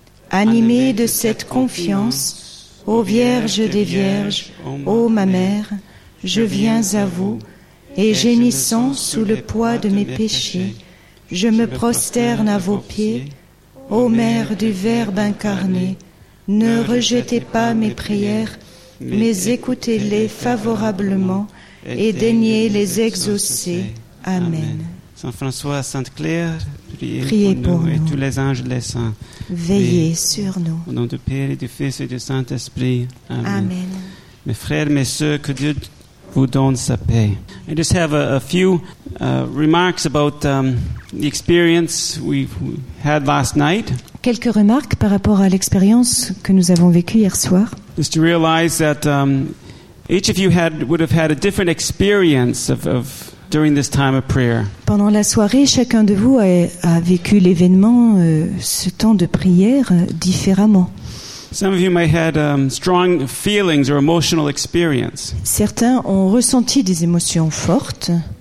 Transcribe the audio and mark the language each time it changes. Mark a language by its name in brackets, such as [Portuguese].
[French] Animé de cette confiance, ô Vierge des Vierges, ô ma Mère, je viens à vous, et gémissant sous le poids de mes péchés, je me prosterne à vos pieds, ô Mère du Verbe incarné, ne rejetez pas mes prières, mais écoutez-les favorablement et daignez les exaucer. Amen. Saint François, Sainte Claire, priez pour nous et tous les anges les saints. Veillez sur nous. Au nom du Père et du Fils et du Saint-Esprit. Amen. Mes frères, mes sœurs, que Dieu vous donne sa paix. [English] I just have a few remarks about the experience we had last night. [French] Quelques remarques par rapport à l'expérience que nous avons vécue hier soir. [English] Just to realize that each of you would have had a different experience of during this time of prayer. [French] Pendant la soirée, chacun de vous a vécu l'événement, ce temps de prière, différemment. [English] Some of you may have had strong feelings or emotional experience. [French] Certains ont ressenti des émotions fortes.